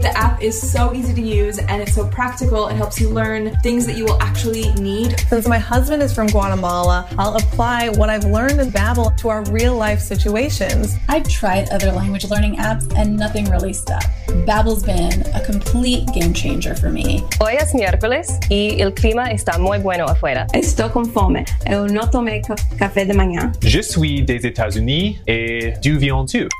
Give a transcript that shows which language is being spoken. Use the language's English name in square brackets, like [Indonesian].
[English] The app is so easy to use, and it's so practical. It helps you learn things that you will actually need. Since my husband is from Guatemala, I'll apply what I've learned in Babbel to our real-life situations. I've tried other language learning apps and nothing really stuck. Babbel's been a complete game-changer for me. [Spanish] Hoy es miércoles y el clima está muy bueno afuera. Estoy con fome. Yo no tomé café de mañana. [French] Je suis des États-Unis et d'où viens-tu?